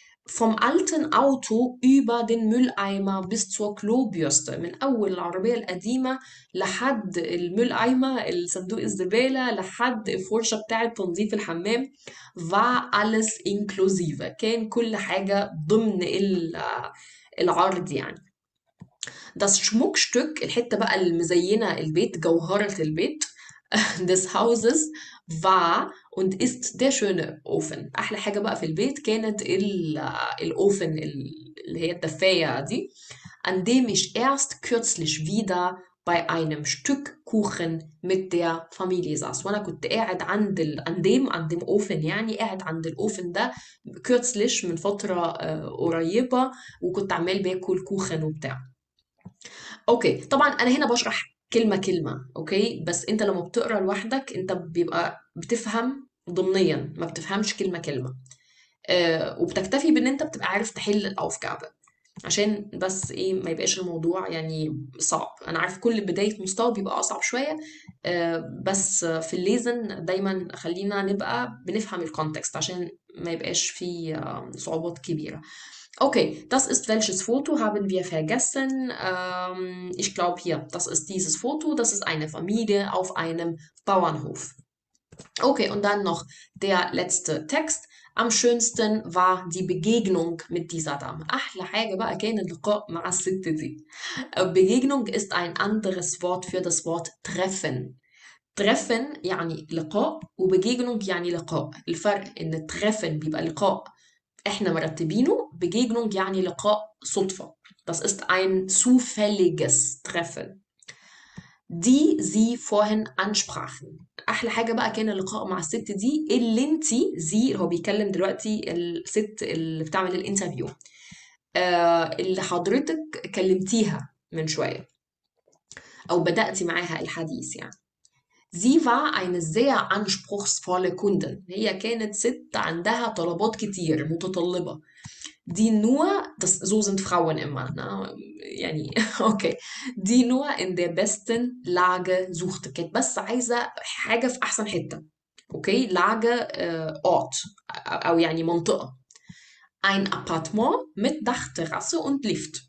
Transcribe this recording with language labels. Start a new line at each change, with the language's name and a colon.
German: Vom alten Auto über den Mülleimer bis zur Klobürste,
Arabic: من أول العربية القديمة لحد المülleimer, الصندوق الزبالة, لحد الفرشة بتاعة تنظيف الحمام,
German: war alles inklusive,
Arabic: كان كل حاجة ضمن العرض يعني.
German: Das Schmuckstück,
Arabic: الحتة بقى المزينة البيت, جوهرة البيت
German: des Hauses war und ist der schöne Ofen.
Arabic: أحلى حاجة بقى في البيت كانت الأوفن اللي هي الدفاية دي,
German: an dem ich erst kürzlich wieder bei einem Stück Kuchen mit der Familie saß.
Arabic: وأنا كنت قاعد عند عند
German: dem Ofen,
Arabic: يعني قاعد عند الأوفن ده kürzlich, من فترة قريبة, وكنت عمال باكل كوخن وبتاع. اوكي, طبعا انا هنا بشرح كلمه كلمه, اوكي, بس انت لما بتقرا لوحدك انت بيبقى بتفهم ضمنيا, ما بتفهمش كلمه كلمه, وبتكتفي بان انت بتبقى عارف تحل الاوفكابل, عشان بس ايه ما يبقاش الموضوع يعني صعب. انا عارف كل بدايه مستوى بيبقى اصعب شويه, بس في الليزن دايما خلينا نبقى بنفهم الكونتكست عشان ما يبقاش فيه صعوبات كبيره.
German: Okay, das ist welches Foto haben wir vergessen? Ich glaube hier, das ist dieses Foto. Das ist eine Familie auf einem Bauernhof. Okay, und dann noch der letzte Text. Am schönsten war die Begegnung mit dieser Dame.
Arabic: Ach, la حاجة بقى كان اللقاء مع الست دي.
German: Begegnung ist ein anderes Wort für das Wort Treffen.
Arabic: Treffen يعني لقاء, وبegegnung يعني لقاء. الفرق إن Treffen بيبقى لقاء احنا مرتبينه, begegnung يعني لقاء صدفة.
German: Das ist ein zufälliges Treffen, die sie vorhin ansprachen.
Arabic: احلى حاجة بقى كان اللقاء مع الست دي اللي انت, زي هو بيكلم دلوقتي الست اللي بتعمل الانترفيو, اللي حضرتك كلمتيها من شوية او بدأتي معاها الحديث يعني.
German: Sie war eine sehr anspruchsvolle Kundin.
Arabic: هي كانت ست عندها طلبات كتير, متطلبة.
German: Die nur, das, so sind Frauen immer, ne?
Arabic: يعني,
German: okay. Die nur in der besten Lage suchte.
Arabic: كانت بس عايزة حاجة في أحسن حتة.
German: Okay, Lage, Ort,
Arabic: أو يعني منطقة.
German: Ein Appartement mit Dachterrasse und Lift.